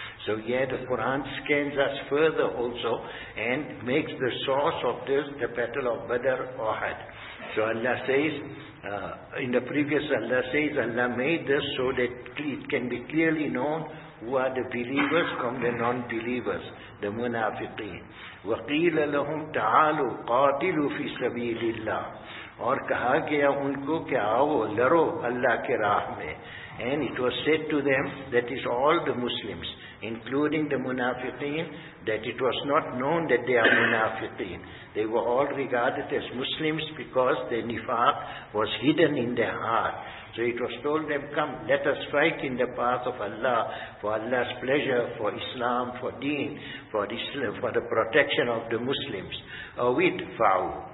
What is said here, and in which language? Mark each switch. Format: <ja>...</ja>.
<en>So yeah, the Quran scans us further also and makes the source of this the battle of Badr Uhud. So Allah says, in the previous Allah says, Allah made this so that it can be clearly known who are the believers from the non-believers, the munafiqeen.</en> <ar>وَقِيلَ لَهُمْ تَعَالُوا قَاتِلُوا فِي سَبِيلِ اللَّهِ.</ar> <ur>اور کہا گیا ان کو کہ آؤ لڑو اللہ کے راہ میں.</ur> <en>And it was said to them, that is all the Muslims, including the munafiqeen, that it was not known that they are munafiqeen. They were all regarded as Muslims because their nifaq was hidden in their heart. So it was told them, come, let us fight in the path of Allah, for Allah's pleasure, for Islam, for deen, for Islam, for the protection of the Muslims. Awid fa'u.</en>